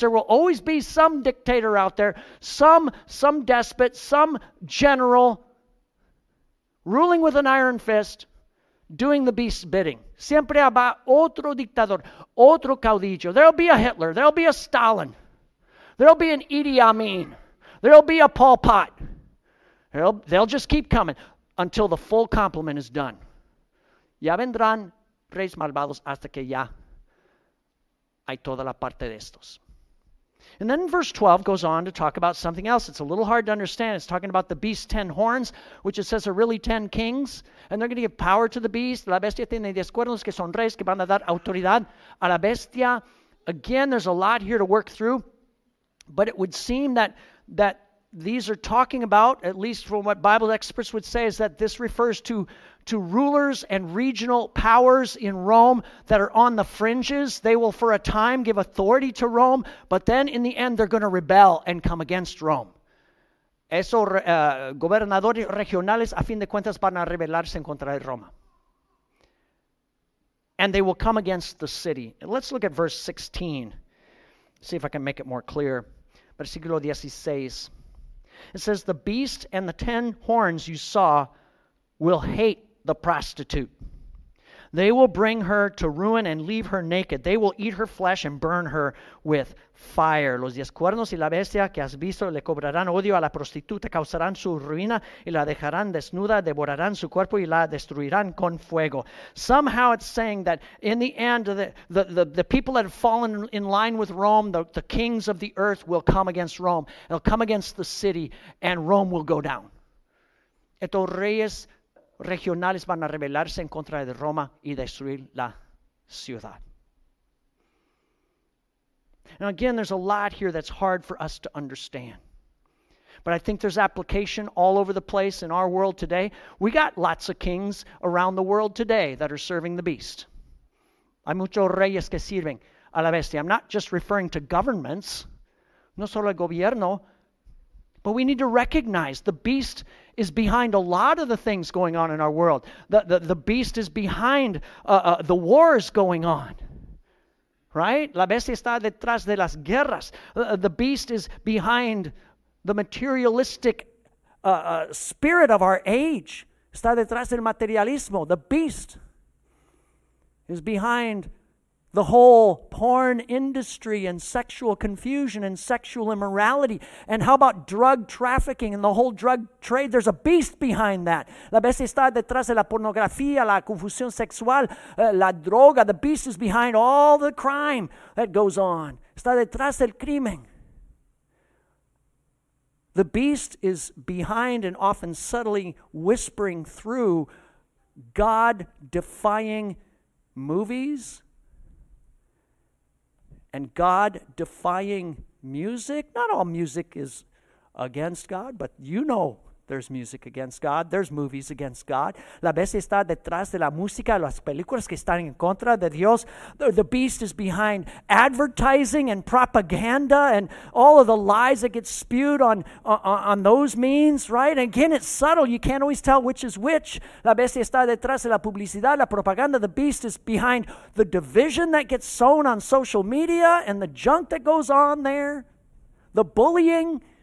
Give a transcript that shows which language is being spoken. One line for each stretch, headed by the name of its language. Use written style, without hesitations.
English: There will always be some dictator out there, some despot, some general ruling with an iron fist, doing the beast's bidding.
Spanish: Siempre habrá otro dictador, otro caudillo.
English: There'll be a Hitler. There'll be a Stalin. There'll be an Idi Amin. There'll be a Pol Pot. They'll just keep coming until the full complement is done.
Spanish: Ya vendrán reyes malvados hasta que ya hay toda la parte de estos.
English: And then verse 12 goes on to talk about something else. It's a little hard to understand. It's talking about the beast's 10 horns, which it says are really 10 kings. And they're going to give power to the beast.
Spanish: La bestia tiene 10 cuernos que son reyes que van a dar autoridad a la bestia.
English: Again, there's a lot here to work through. But it would seem that these are talking about, at least from what Bible experts would say, is that this refers to rulers and regional powers in Rome that are on the fringes. They will for a time give authority to Rome, but then in the end they're going to rebel and come against Rome.
Spanish: Esos gobernadores regionales a fin de cuentas van a rebelarse en contra de Roma.
English: And they will come against the city. And let's look at verse 16. See if I can make it more clear.
Spanish: Versículo 16.
English: It says, the beast and the 10 horns you saw will hate the prostitute. They will bring her to ruin and leave her naked. They will eat her flesh and burn her with fire.
Spanish: Los 10 cuernos y la bestia que has visto le cobrarán odio a la prostituta, causarán su ruina y la dejarán desnuda, devorarán su cuerpo y la destruirán con fuego.
English: Somehow it's saying that in the end, the people that have fallen in line with Rome, the kings of the earth will come against Rome. They'll come against the city and Rome will go down.
Spanish: Estos reyes regionales van a rebelarse en contra de Roma y destruir la ciudad.
English: Now again, there's a lot here that's hard for us to understand. But I think there's application all over the place in our world today. We got lots of kings around the world today that are serving the beast.
Spanish: Hay muchos reyes que sirven a la bestia.
English: I'm not just referring to governments,
Spanish: no solo el gobierno,
English: but we need to recognize the beast is behind a lot of the things going on in our world. The beast is behind the wars going on, right?
Spanish: La bestia está detrás de las guerras.
English: The beast is behind the materialistic spirit of our age.
Spanish: Está detrás del materialismo.
English: The beast is behind the whole porn industry and sexual confusion and sexual immorality. And how about drug trafficking and the whole drug trade? There's a beast behind that.
Spanish: La bestia está detrás de la pornografía, la confusión sexual, la droga.
English: The beast is behind all the crime that goes on.
Spanish: Está detrás del crimen.
English: The beast is behind and often subtly whispering through God-defying movies and God-defying music. Not all music is against God, but you know there's music against God. There's movies against God.
Spanish: La bestia está detrás de la música, las películas que están en contra de Dios.
English: The beast is behind advertising and propaganda and all of the lies that get spewed on those means, right? And again, it's subtle. You can't always tell which is which.
Spanish: La bestia está detrás de la publicidad, la propaganda.
English: The beast is behind the division that gets sown on social media and the junk that goes on there. The bullying.